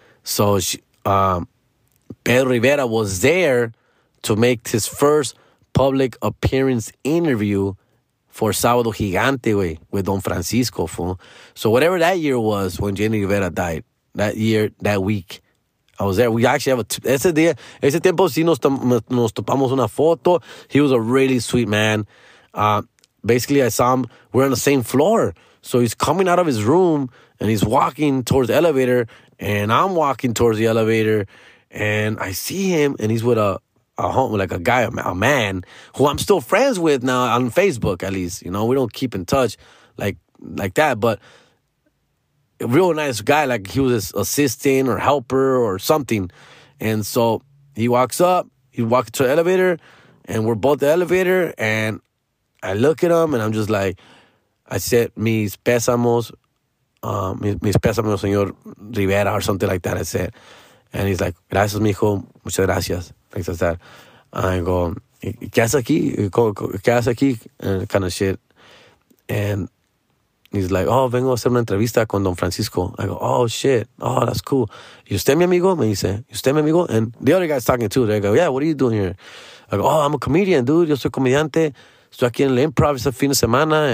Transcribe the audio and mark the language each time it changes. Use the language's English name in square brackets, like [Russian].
[English] So Pedro Rivera was there to make his first public appearance interview for Sábado Gigante, way, with Don Francisco, fool. So whatever that year was when Jenny Rivera died, that year, that week, I was there. We actually have [Spanish] ese día, ese tiempo sí nos topamos una foto. [English] He was a really sweet man. Basically, I saw him, we're on the same floor. So he's coming out of his room, and he's walking towards the elevator, and I'm walking towards the elevator, and I see him, and he's with a man who I'm still friends with now on Facebook, at least. You know, we don't keep in touch like that, but a real nice guy. Like, he was his assistant or helper or something. And so he walks up, he walks to the elevator, and we're both the elevator, and I look at him, and I'm just like, I said, [Spanish] mis pésamos, señor Rivera, [English] or something like that, I said. And he's like, [Spanish] gracias, mijo, muchas gracias. [English] Like that. I go, [Spanish] ¿qué haces aquí? ¿Qué haces aquí? [English] And kind of shit. And he's like, oh, [Spanish] vengo a hacer una entrevista con Don Francisco. [English] I go, oh, shit. Oh, that's cool. [Spanish] ¿Y usted mi amigo? Me dice, ¿y usted mi amigo? [English] And the other guy's talking too. They go, yeah, what are you doing here? I go, oh, I'm a comedian, dude. [Spanish] Yo soy comediante. Estoy aquí en el Improv este fin de semana.